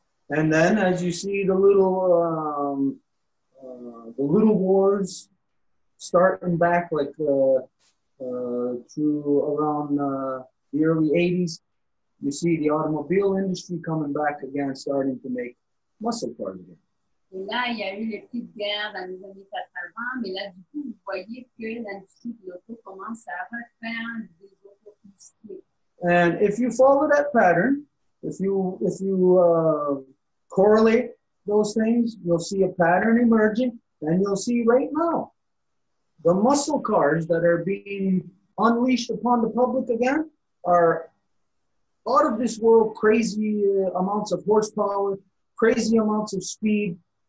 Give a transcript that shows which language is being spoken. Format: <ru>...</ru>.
<en>And then as you see the little wards starting back like to around the early 80s, you see the automobile industry coming back again, starting to make muscle cars again.</en> <fr>Et là, il y a eu les petites guerres dans les années 80, mais là, du coup, vous voyez que l'industrie de l'auto commence à refaire des autos plus petites.</fr> <en>And if you follow that pattern, if you correlate those things, you'll see a pattern emerging, and you'll see right now the muscle cars that are being unleashed upon the public again are out of this world, crazy amounts of horsepower, crazy amounts of speed.</en>